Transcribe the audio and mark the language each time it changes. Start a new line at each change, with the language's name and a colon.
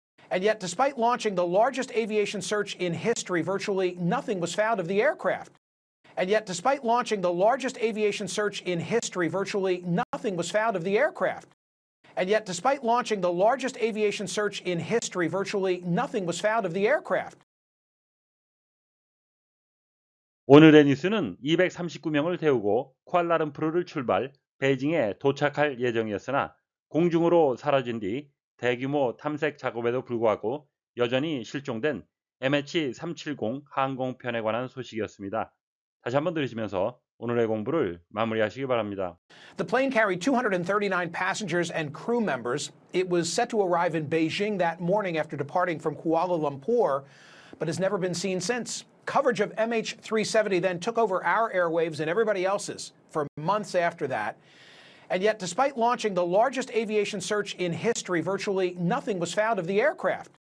English: And yet, despite launching the largest aviation search in history, virtually nothing was found of the aircraft. And yet, despite launching the largest aviation search in history, virtually nothing was found of the aircraft. And yet, despite launching the largest aviation search in history, virtually nothing was found of the aircraft.
Korean: 오늘의 뉴스는 239명을 태우고 쿠알라룸푸르를 출발, 베이징에 도착할 예정이었으나 공중으로 사라진 뒤 대규모 탐색 작업에도 불구하고 여전히 실종된 MH370 항공편에 관한 소식이었습니다. 다시 한번 들으시면서 오늘의 공부를 마무리하시기 바랍니다.
English: The plane carried 239 passengers and crew members. It was set to arrive in Beijing that morning after departing from Kuala Lumpur, but has never been seen since. Coverage of MH370 then took over our airwaves and everybody else's for months after that. And yet, despite launching the largest aviation search in history, virtually nothing was found of the aircraft.